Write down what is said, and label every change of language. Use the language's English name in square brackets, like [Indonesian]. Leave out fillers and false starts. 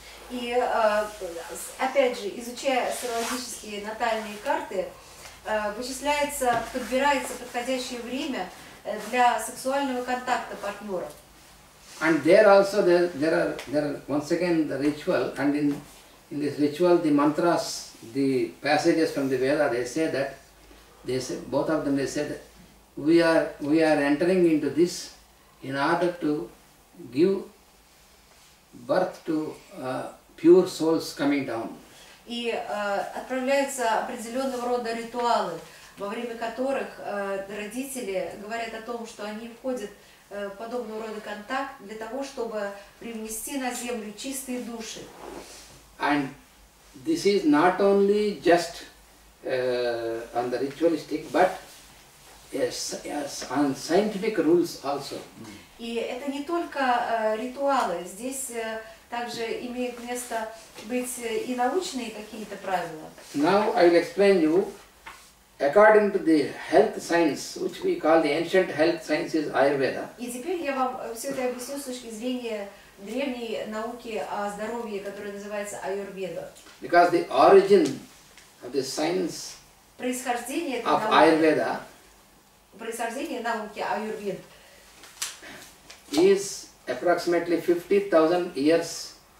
[Russian] И опять же, изучая астрологические натальные карты, подбирается подходящее время для сексуального контакта партнеров. [English] And there also there are once again the ritual, and in this ritual the mantras, the passages from the Veda, they say both of them, they say that we are entering into this in order to give birth to pure souls coming down. [Russian] И отправляются определенного рода ритуалы, во время которых родители говорят о том, что они входят в подобного рода контакт для того, чтобы привнести на землю чистые души. [English] And this is not only just on the ritualistic, but yes, on scientific rules also. [Russian] И это не только ритуалы, здесь также имеют место быть и научные какие-то правила. [English] Now I will explain you according to the health science, which we call the ancient health sciences Ayurveda. [Russian] И теперь я вам все это объясню с точки зрения древней науки о здоровье, которая называется Аюрведа. [English] Because the origin of the science [Russian] происхождение [English] of Ayurveda [Russian] происхождение науки Аюрвед [English] is approximately 50,000 years.